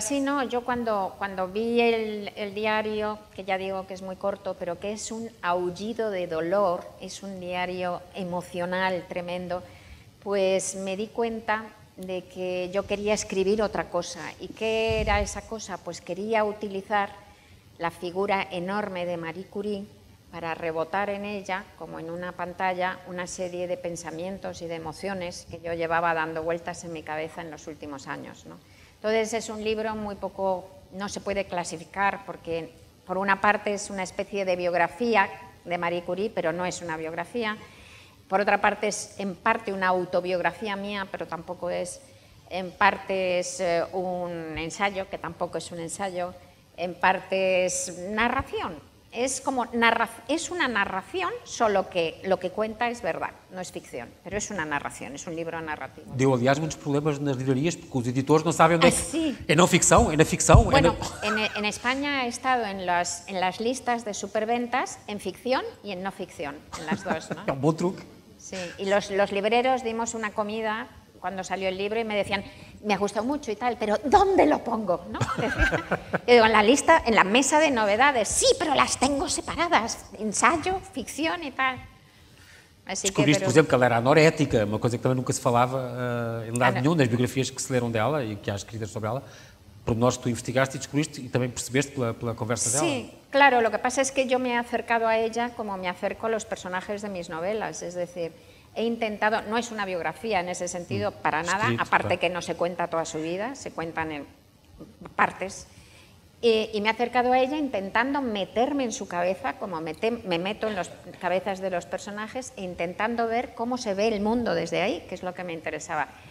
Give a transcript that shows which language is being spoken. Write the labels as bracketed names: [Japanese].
[Portuguese] Sim, sí, eu quando vi el diário, que já digo que é muito corto, mas que é um [Spanish] aullido de dolor, [Portuguese] é um diário emocional tremendo, [Spanish] pues me di cuenta de que [Portuguese] eu queria escrever outra coisa. E que era essa coisa? [Spanish] Pues [Portuguese] queria utilizar a figura [Spanish] enorme de Marie Curie para rebotar en ella, como en una pantalla, una serie de pensamientos y de emociones que yo llevaba dando vueltas en mi cabeza en los últimos años, ¿no? Entonces es un libro muy poco, no se puede clasificar, porque por una parte es una especie de biografía de Marie Curie, pero no es una biografía. Por otra parte es en parte una autobiografía mía, pero tampoco es, en parte es un ensayo, que tampoco es un ensayo, en parte es narración. Es como es una narración, solo que lo que cuenta es verdad, no es ficción, pero es una narración, es un libro narrativo. [Portuguese] Deu, aliás, muitos problemas nas livrarias, porque os editores não sabem onde [Spanish] é. Sí. [Portuguese] É não ficção, é na ficção. [Spanish] Bueno, [Portuguese] é [Spanish] en España ha estado en las listas de superventas en ficción y en no ficción, en las dos, ¿no? [Portuguese] É um bom truque. [Spanish] Sí, y los libreros dimos una comida cuando salió el libro y me decían, me ha gustado mucho y tal, pero ¿dónde lo pongo? ¿No? Yo digo, en la lista, en la mesa de novedades, sí, pero las tengo separadas, ensayo, ficción y tal. Así descubriste, que, pero... [Portuguese] por exemplo, que ela era anorética, uma coisa que também nunca se falava em lado nenhum, nas biografias que se leram dela e que há escritas sobre ela, por nós que tu investigaste e descobriste e também percebeste pela conversa dela. [Spanish] Sí, claro, lo que pasa es que yo me he acercado a ella como me acerco a los personajes de mis novelas, es decir, he intentado, no es una biografía en ese sentido, para nada, escrito, aparte claro. Que no se cuenta toda su vida, se cuentan en partes, y me he acercado a ella intentando meterme en su cabeza, como me meto en las cabezas de los personajes, e intentando ver cómo se ve el mundo desde ahí, que es lo que me interesaba.